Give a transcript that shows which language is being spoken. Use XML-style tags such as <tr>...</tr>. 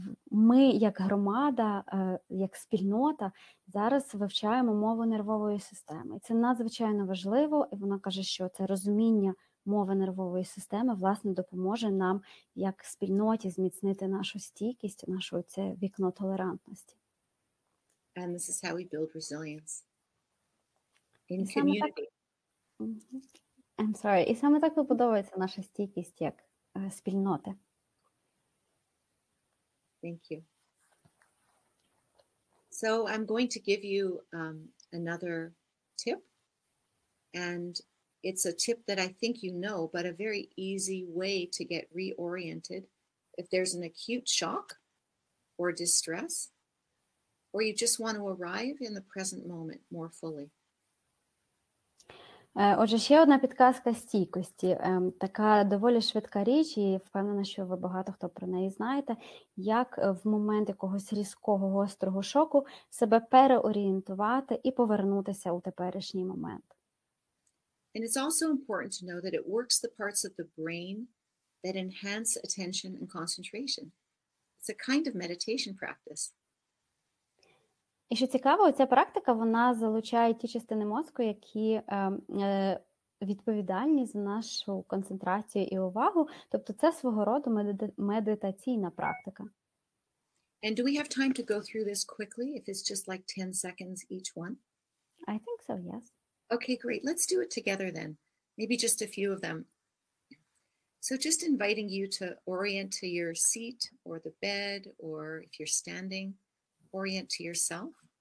<uk>Ми як громада, як спільнота, зараз вивчаємо мову нервової системи. І це надзвичайно важливо, і вона каже, що це розуміння мови нервової системи, власне, допоможе нам як спільноті зміцнити нашу стійкість, наше це вікно толерантності.</uk> <en>And this is how we build resilience in community. I'm sorry.</en> <uk>І саме так побудовується наша стійкість як спільноти.</uk> <en>Thank you. So I'm going to give you another tip. And it's a tip that I think you know, but a very easy way to get reoriented if there's an acute shock or distress, or you just want to arrive in the present moment more fully.</en> <uk>Отже, ще одна підказка стійкості. Така доволі швидка річ, і впевнена, що ви багато хто про неї знаєте, як в момент якогось різкого, гострого шоку себе переорієнтувати і повернутися у теперішній момент.</uk> <en>And it's also important to know that it works the parts of the brain that enhance attention and concentration. It's a kind of meditation practice.</en> <uk>І що цікаво, ця практика, вона залучає ті частини мозку, які відповідальні за нашу концентрацію і увагу. Тобто це свого роду медитаційна практика.</uk> <en>And do we have time to go through this quickly, if it's just like 10 seconds each one? I think so, yes. Okay, great. Let's do it together then. Maybe just a few of them. So just inviting you to orient to your seat or the bed, or if you're standing, orient to yourself.</en>